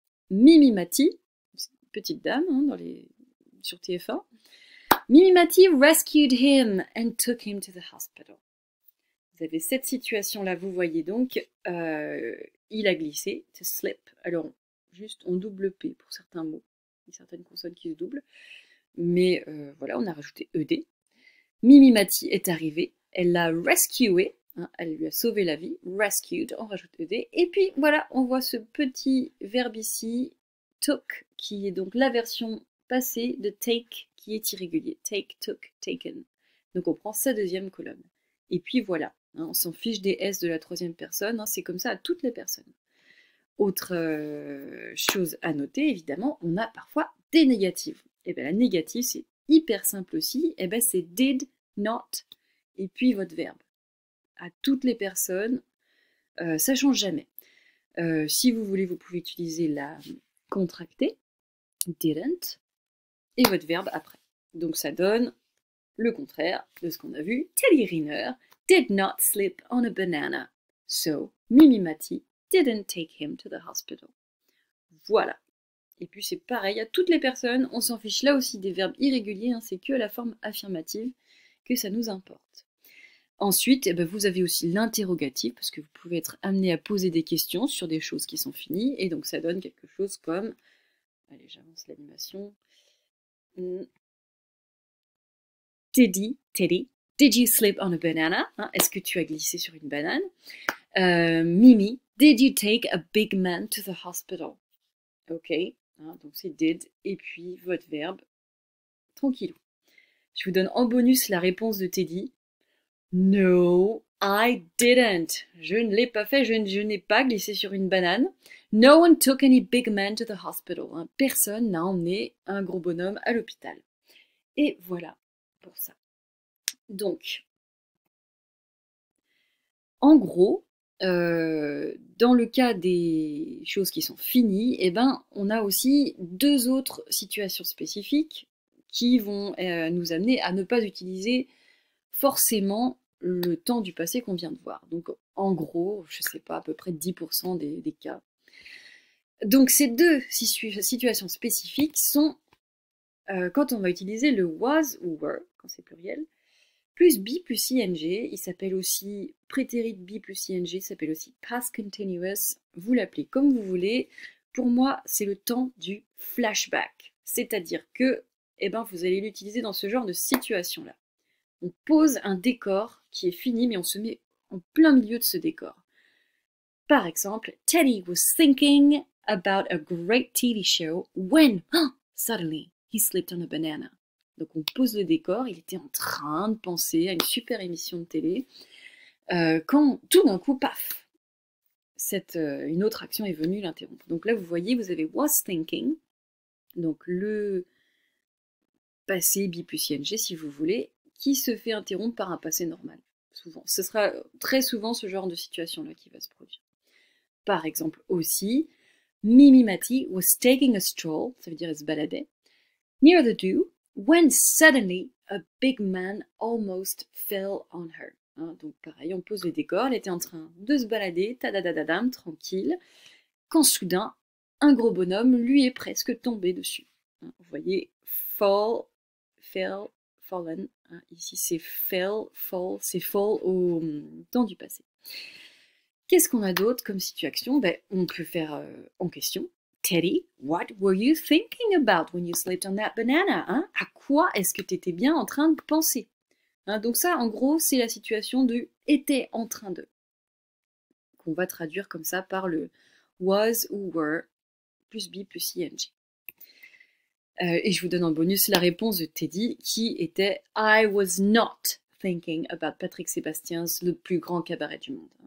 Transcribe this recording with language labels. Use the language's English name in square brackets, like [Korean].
[English] Mimi Mati, [French] petite dame hein, sur TF1, [English] Mimi Mati rescued him and took him to the hospital. [French] Vous avez cette situation-là, vous voyez donc, il a glissé, [English] to slip. [French] Alors, juste on double P pour certains mots, il y a certaines consonnes qui se doublent, mais voilà, on a rajouté ED. Mimi Mati est arrivée, elle l'a rescué. Hein, elle lui a sauvé la vie, rescued, on rajoute ED. Et puis voilà, on voit ce petit verbe ici, took, qui est donc la version passée de take, qui est irrégulier. Take, took, taken. Donc on prend sa deuxième colonne. Et puis voilà, hein, on s'en fiche des S de la troisième personne, hein, c'est comme ça à toutes les personnes. Autre chose à noter, évidemment, on a parfois des négatives. Et bien la négative, c'est hyper simple aussi, et bien c'est did, not, et puis votre verbe. À toutes les personnes, ça change jamais. Si vous voulez, vous pouvez utiliser la contractée, didn't, et votre verbe après. Donc ça donne le contraire de ce qu'on a vu. [English] Teddy Riner did not slip on a banana. So, Mimi Mati didn't take him to the hospital. [French] Voilà. Et puis c'est pareil à toutes les personnes, on s'en fiche là aussi des verbes irréguliers, hein, c'est que la forme affirmative que ça nous importe. Ensuite, eh ben vous avez aussi l'interrogatif, parce que vous pouvez être amené à poser des questions sur des choses qui sont finies, et donc ça donne quelque chose comme. Allez, j'avance l'animation. [English] Teddy, did you slip on a banana? [French] Hein, est-ce que tu as glissé sur une banane? [English] Mimi, did you take a big man to the hospital? [French] Ok, hein, donc c'est did, et puis votre verbe, tranquillou. Je vous donne en bonus la réponse de Teddy. [English] No, I didn't. [French] Je ne l'ai pas fait, je n'ai pas glissé sur une banane. [English] No one took any big man to the hospital. [French] Hein. Personne n'a emmené un gros bonhomme à l'hôpital. Et voilà pour ça. Donc, en gros, dans le cas des choses qui sont finies, eh ben, on a aussi deux autres situations spécifiques qui vont nous amener à ne pas utiliser forcément le temps du passé qu'on vient de voir. Donc, en gros, je ne sais pas, à peu près 10% des cas. Donc, ces deux situations spécifiques sont quand on va utiliser le was ou were, quand c'est pluriel, plus be plus ing. Il s'appelle aussi prétérit be plus ing, il s'appelle aussi past continuous. Vous l'appelez comme vous voulez. Pour moi, c'est le temps du flashback. C'est-à-dire que eh ben, vous allez l'utiliser dans ce genre de situation-là. On pose un décor qui est fini, mais on se met en plein milieu de ce décor. [English] Par exemple, Teddy was thinking about a great TV show when, oh, suddenly, he slipped on a banana. [French] Donc on pose le décor, il était en train de penser à une super émission de télé. quand tout d'un coup, paf, une autre action est venue l'interrompre. Donc là, vous voyez, vous avez was thinking, donc le passé bipuc-ing, si vous voulez, qui se fait interrompre par un passé normal, souvent. Ce sera très souvent ce genre de situation-là qui va se produire. [English] Par exemple aussi, Mimimati was taking a stroll, [French] ça veut dire elle se baladait, [English] near the Doubs, when suddenly a big man almost fell on her. [French] Hein, donc pareil, on pose le décor, elle était en train de se balader, ta-da-da-da-dam, tranquille, quand soudain, un gros bonhomme lui est presque tombé dessus. Hein, vous voyez, fall, fell, fallen. Hein, ici, c'est fell, fall, c'est fall au temps du passé. Qu'est-ce qu'on a d'autre comme situation? Ben, on peut faire en question. [English] Teddy, what were you thinking about when you slept on that banana? [French] Hein? À quoi est-ce que tu étais bien en train de penser? Hein, donc ça, en gros, c'est la situation de était en train de. Qu'on va traduire comme ça par le was ou were plus be plus ing. Et je vous donne en bonus la réponse de Teddy qui était [English] I was not thinking about Patrick Sébastien's [French] le plus grand cabaret du monde.